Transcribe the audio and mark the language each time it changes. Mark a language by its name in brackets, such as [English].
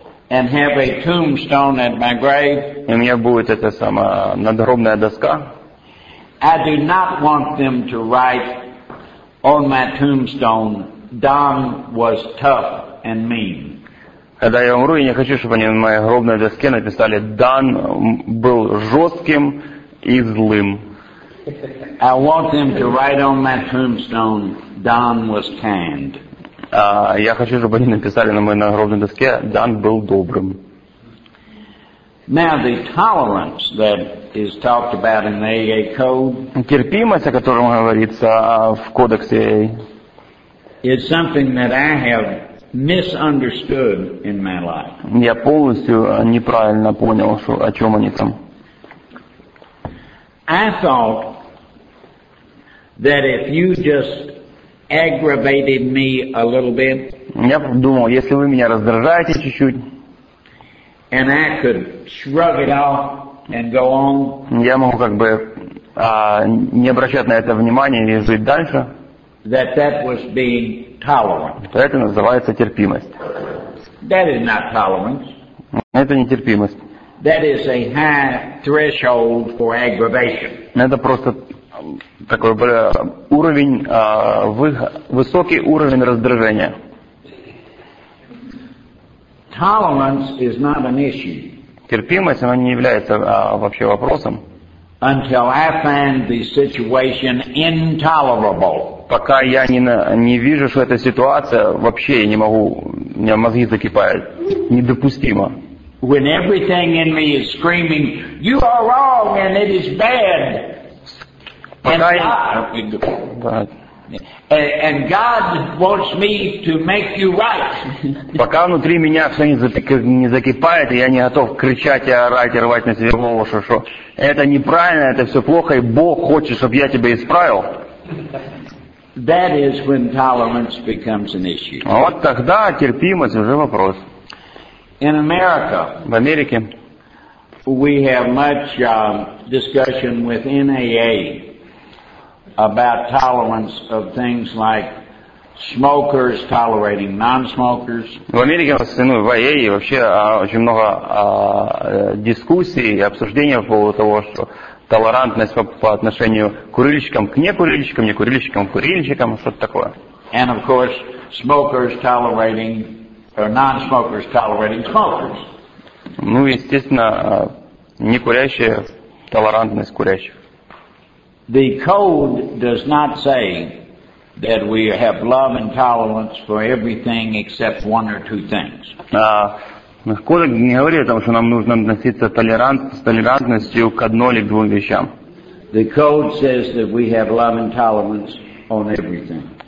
[English] and have a tombstone at my grave, [Russian] и у меня будет эта самая надгробная доска, [English] I do not want them to write on my tombstone, "Don was tough and mean." [Russian] Когда я умру, я не хочу, чтобы они на моей гробной доске написали: "Дан был жестким и злым." [English] I want them to write on my tombstone, "Don was kind." [Russian] Я хочу, чтобы они написали на моей нагробной доске: "Дан был добрым." [English] Now the tolerance that is talked about in the AA code. [Russian] Терпимость, о котором говорится в кодексе AA, [English] is something that I have misunderstood in my life. [Russian] Я полностью неправильно понял, о чем они там. [English] I thought that if you just aggravated me a little bit. [Russian] Я думал, если вы меня раздражаете чуть-чуть, [English] and I could shrug it off and go on. [Russian] Я могу как бы не обращать на это внимания и жить дальше. [English] That was being tolerant. [Russian] Это называется терпимость. [English] That is not tolerance. [Russian] Это нетерпимость. [English] That is a high threshold for aggravation. [Russian] Это просто такой уровень, высокий уровень раздражения. [English] Tolerance is not an issue. [Russian] Терпимость, она не является вообще вопросом. [English] Until I find the situation intolerable. [Russian] Пока я не вижу, что эта ситуация вообще, я не могу, у меня мозги закипают, недопустимо. [English] When everything in me is screaming, you are wrong and it is bad. And God wants me to make you right. [Russian] Пока внутри меня все не закипает, и я не готов кричать и орать и рвать на себе голову, что это неправильно, это все плохо, и Бог хочет, чтобы я тебя исправил. [English] That is when tolerance becomes an issue. [Russian] А вот тогда терпимость уже вопрос. [English] In America, [Russian] в Америке, [English] we have much discussion with NAA about tolerance of things like smokers tolerating non-smokers. [Russian] В Америке, в АА, вообще очень много дискуссий и обсуждений по поводу того, что толерантность по отношению к курильщикам к некурильщикам, некурильщикам к курильщикам, что-то такое. [English] And of course, smokers tolerating or non-smokers tolerating smokers. [Russian] Ну, естественно, не курящие толерантность курящих. [English] The code does not say that we have love and tolerance for everything except one or two things. [Russian] Кодекс не говорит о том, что нам нужно относиться с толерантностью к одной или двум вещам. [English] The code says that we have love and tolerance on everything.